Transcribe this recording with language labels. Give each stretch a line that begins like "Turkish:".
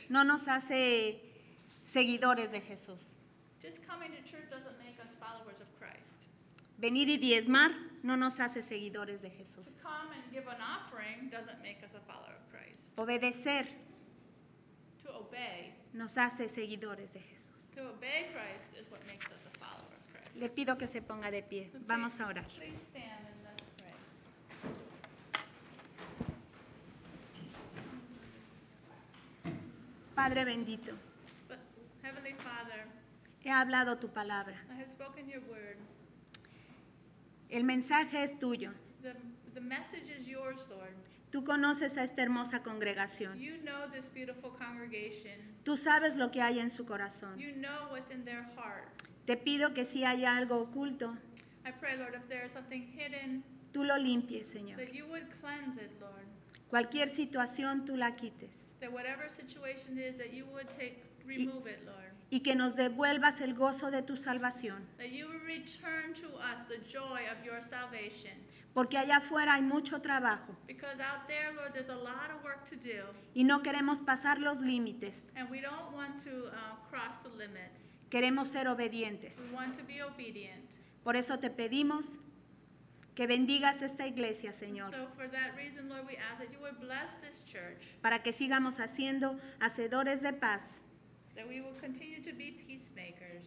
Spanish: No nos hace seguidores de Jesús.
English: Just coming to church doesn't make us followers of Christ.
Spanish: Venir y diezmar no nos hace seguidores de Jesús.
English: To come and give an offering doesn't make us a follower of Christ.
Spanish: Obedecer.
English: To obey.
Spanish: Nos hace seguidores de Jesús.
English: To obey Christ is what makes us a follower of Christ.
Spanish: Le pido que se ponga de pie.
English: Please,
Spanish: vamos a orar.
English: Please stand and let's pray.
Spanish: Padre bendito.
English: Heavenly Father.
Spanish: He hablado tu palabra.
English: I have spoken your word.
Spanish: El mensaje es tuyo.
English: The message is yours, Lord.
Spanish: Tú conoces a esta hermosa congregación.
English: You know this beautiful congregation.
Spanish: Tú sabes lo que hay en su corazón.
English: You know what's in their heart.
Spanish: Te pido que si hay algo oculto,
English: I pray, Lord, if there is something hidden,
Spanish: tú lo limpies, Señor.
English: That you would cleanse it, Lord.
Spanish: Cualquier situación, tú la quites.
English: That whatever situation is, that you would take, remove it, Lord.
Spanish: Y que nos devuelvas el gozo de tu salvación.
English: That you would return to us the joy of your salvation.
Spanish: Porque allá afuera hay mucho trabajo.
English: Because out there, Lord, there's a lot of work to do.
Spanish: Y no queremos pasar los límites.
English: And we don't want to cross the limits.
Spanish: Queremos ser obedientes.
English: We want to be obedient.
Spanish: Por eso te pedimos que bendigas esta iglesia, Señor.
English: So for that reason, Lord, we ask that you would bless this church.
Spanish: Para que sigamos haciendo hacedores de paz.
English: That we will continue to be peacemakers.